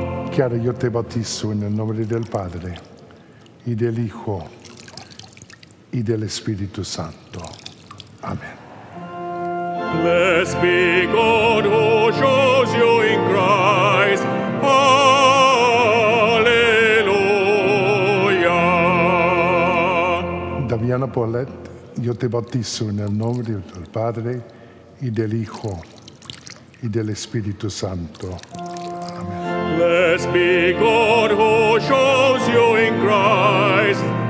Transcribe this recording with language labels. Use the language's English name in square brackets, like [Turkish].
[Italian] Chiara, io te bautizzo nel nome del Padre, e del Hijo, e dello Spirito Santo. Amen. [English] Blessed be God who shows you in Christ. Alleluia. [Italian] Daviana Paulet, io te bautizzo nel nome del Padre, e del Hijo, e dello Spirito Santo. [English] Blessed be God who shows you in Christ.